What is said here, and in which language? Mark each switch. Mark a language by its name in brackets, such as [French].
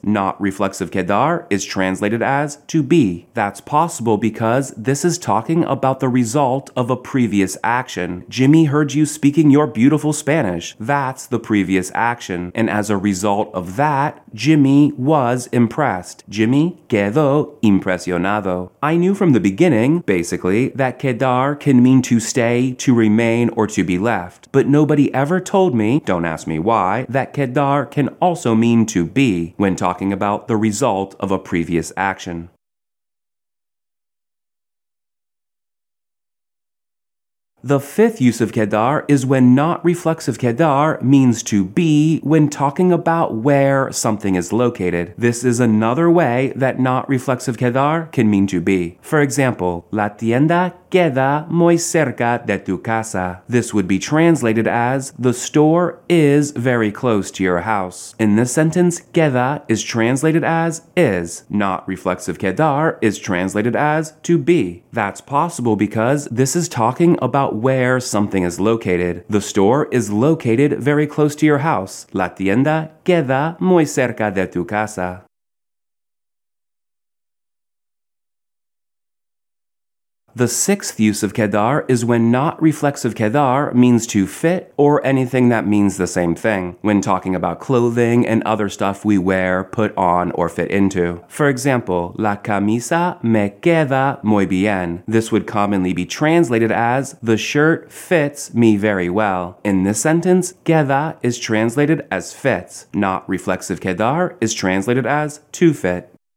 [English] Not reflexive quedar is translated as to be. That's possible because this is talking about the result of a previous action. Jimmy heard you speaking your beautiful Spanish. That's the previous action. And as a result of that, Jimmy was impressed. [Spanish] Jimmy quedó impresionado. [English] I knew from the beginning, basically, that quedar can mean to stay, to remain, or to be left. But nobody ever told me, don't ask me why, that quedar can also mean to be when talking about the result of a previous action. The fifth use of quedar is when not reflexive quedar means to be when talking about where something is located. This is another way that not reflexive quedar can mean to be. For example, [Spanish] la tienda queda muy cerca de tu casa. [English] This would be translated as, the store is very close to your house. In this sentence, queda is translated as is, not reflexive quedar is translated as to be. That's possible because this is talking about where something is located. The store is located very close to your house. [Spanish] La tienda queda muy cerca de tu casa. [English] The sixth use of quedar is when not reflexive quedar means to fit or anything that means the same thing, when talking about clothing and other stuff we wear, put on, or fit into. For example, [Spanish] la camisa me queda muy bien. [English] This would commonly be translated as, the shirt fits me very well. In this sentence, queda is translated as fits. Not reflexive quedar is translated as to fit.